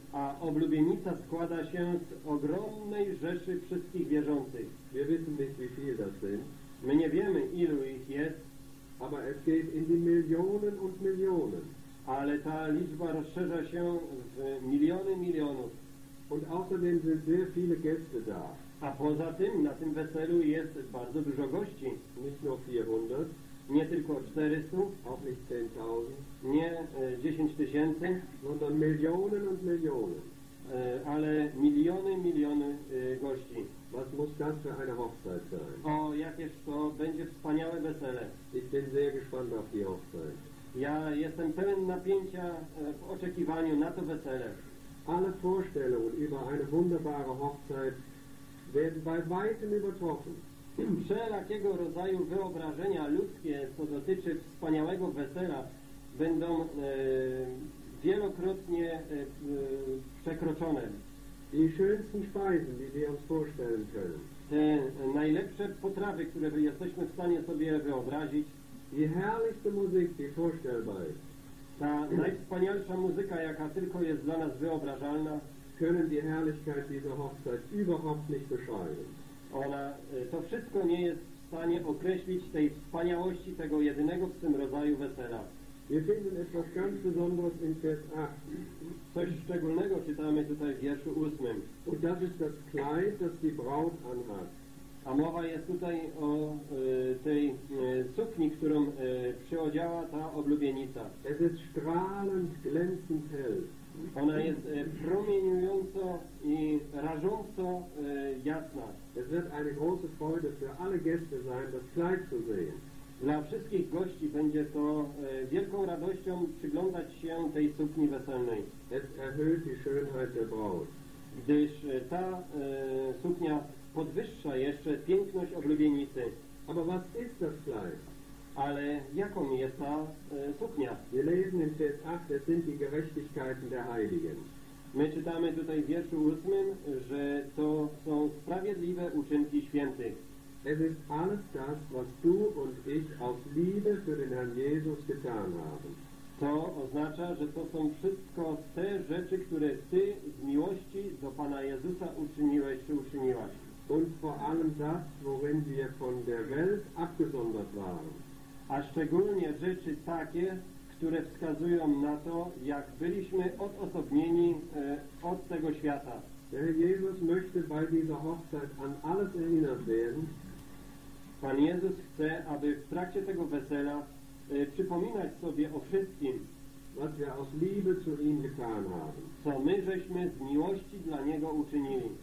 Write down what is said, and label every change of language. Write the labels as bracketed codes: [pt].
[pl] A oblubienica składa się z ogromnej rzeszy wszystkich wierzących. [de] Wir wissen nicht, wie viele das sind. [pl] My nie wiemy, ilu ich jest. [de] Aber es geht in die Millionen und Millionen. [pl] Ale ta liczba rozszerza się w miliony milionów. [de] Und außerdem sind sehr viele Gäste da. [pl] A poza tym na tym weselu jest bardzo dużo gości. [de] Nicht nur 400. [pl] Nie tylko 400. [de] Auch nicht 10.000. [pl] Nie 10 tysięcy. [de] Sondern Millionen und Millionen. [pl] Ale miliony miliony gości. [de] Was muss das für eine Hochzeit sein? [pl] O, jakież to będzie wspaniałe wesele. [de] Ich bin sehr gespannt auf die Hochzeit. [pl] Ja jestem pełen napięcia w oczekiwaniu na to wesele. [de] Alle Vorstellungen über eine wunderbare Hochzeit werden bei weitem übertroffen. [pl] Wszelakiego rodzaju wyobrażenia ludzkie, co dotyczy wspaniałego wesela, będą wielokrotnie przekroczone. [de] Die schönsten Speisen, die wir uns vorstellen können. [pl] Te najlepsze potrawy, które jesteśmy w stanie sobie wyobrazić. [de] Die herrlichste Musik, die vorstellbar ist. [pl] Ta najwspanialsza muzyka, jaka tylko jest dla nas wyobrażalna. [de] Können die Herrlichkeit dieser Hochzeit überhaupt nicht beschreiben. [pl] Ona, to wszystko nie jest w stanie określić tej wspaniałości tego jedynego w tym rodzaju wesela. [de] Wir finden etwas ganz Besonderes in Vers 8. [pl] Coś szczególnego czytamy tutaj w wierszu 8. [de] Und das ist das Kleid, das die Braut anhat. [pl] A mowa jest tutaj o tej sukni, którą przyodziała ta oblubienica. [de] Es ist strahlend glänzend hell. [pl] Ona jest promieniująco i rażąco jasna. [de] Es wird eine große Freude für alle Gäste sein, das Kleid zu sehen. [pl] Dla wszystkich gości będzie to wielką radością przyglądać się tej sukni weselnej. [de] Es erhöht die Schönheit der Braut. [pl] Gdyż ta suknia podwyższa jeszcze piękność oblubienicy. [de] Aber was ist das Kleid? [pl] Ale jaką jest ta suknia? [de] Wir lesen in Vers 8, es sind die Gerechtigkeiten der Heiligen. [pl] My czytamy tutaj w wierszu 8, że to są sprawiedliwe uczynki świętych. [de] Es ist alles das, was du und ich aus Liebe für den Herrn Jesus getan haben. [pl] To oznacza, że to są wszystko te rzeczy, które ty z miłości do Pana Jezusa uczyniłeś czy uczyniłaś. [de] Und vor allem das, worin wir von der Welt abgesondert waren. [pl] A szczególnie rzeczy takie, które wskazują na to, jak byliśmy odosobnieni od tego świata. [de] Der Jesus möchte bei dieser Hochzeit an alles erinnert werden. [pl] Pan Jezus chce, aby w trakcie tego wesela przypominać sobie o wszystkim, [de] was wir aus Liebe zu ihm getan haben. [pl] Co my żeśmy z miłości dla Niego uczynili.